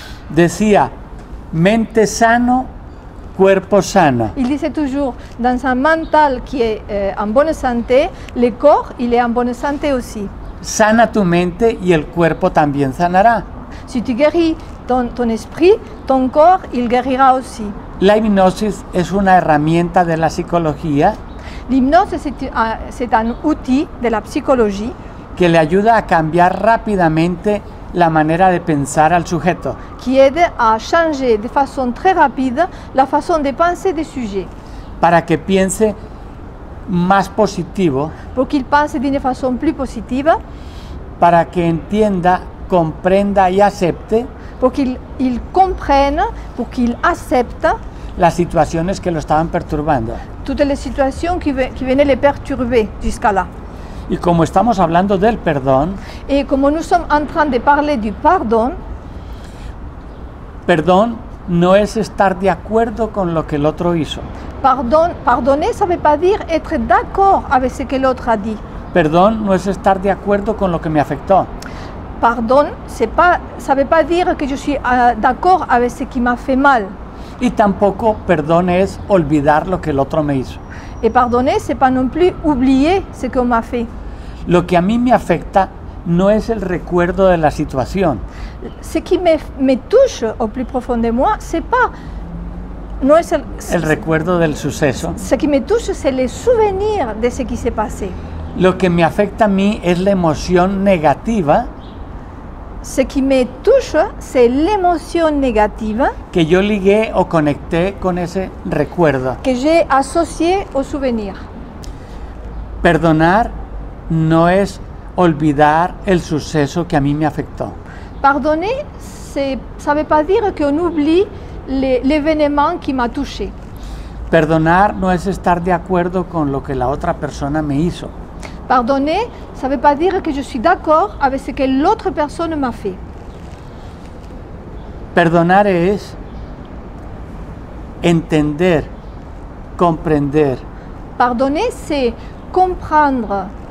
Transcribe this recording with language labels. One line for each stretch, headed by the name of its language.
Spanish: Decía, mente sano, cuerpo sano.
French: Il disait toujours, dans un mental qui est en bonne santé, le corps il est en bonne santé aussi.
Spanish: Sana tu mente y el cuerpo también sanará.
French: Si tu guéris ton esprit, ton corps il guérira aussi.
Spanish: La hipnosis es una herramienta de la psicología.
French: L'hypnose c'est un outil de la psychologie.
Spanish: Que le ayuda a cambiar rápidamente la manera de pensar al sujeto.
French: Qui aide à changer de façon très rapide la façon de penser du sujet.
Spanish: Para que piense más positivo.
French: Pour qu'il pense d'une façon plus positive.
Spanish: Para que entienda, comprenda y acepte.
French: Pour qu'il comprenne, pour qu'il accepte.
Spanish: Las situaciones que lo estaban perturbando.
French: Toutes les situations qui venaient le perturber jusqu'à là.
Spanish: Y como estamos hablando del perdón, y como
French: nous sommes en train de parler du pardon,
Spanish: perdón no es estar de acuerdo con lo que el otro hizo.
French: Pardonner ça veut pas dire être d'accord avec ce que l'autre a dit.
Spanish: Perdón no es estar de acuerdo con lo que me afectó.
French: Pardon, c'est pas ça veut pas dire que je suis d'accord avec ce qui m'a fait mal.
Spanish: Y tampoco perdón es olvidar lo que el otro me hizo.
French: Et pardonner, c'est pas non plus oublier ce qu'on m'a fait.
Spanish: Lo que a mí me afecta no es el recuerdo de la situación.
French: Ce qui me touche au plus profond de moi, c'est pas
Spanish: no es el recuerdo del suceso.
French: Ce qui me touche, c'est le souvenir de ce qui s'est passé.
Spanish: Lo que me afecta a mí es la emoción negativa.
French: Ce qui me touche, c'est l'émotion négative
Spanish: que yo ligué o conecté con ese recuerdo.
French: Que j'ai associé au souvenir.
Spanish: Perdonar no es olvidar el suceso que a mí me afectó.
French: Pardonner, ça veut pas dire qu'on oublie l'événement qui m'a touché.
Spanish: Perdonar no es estar de acuerdo con lo que la otra persona me hizo.
French: Pardonner, ça ne veut pas dire que je suis d'accord avec ce que l'autre personne m'a fait.
Spanish: Perdonar es entender, comprender.
French: Pardonner, c'est comprendre.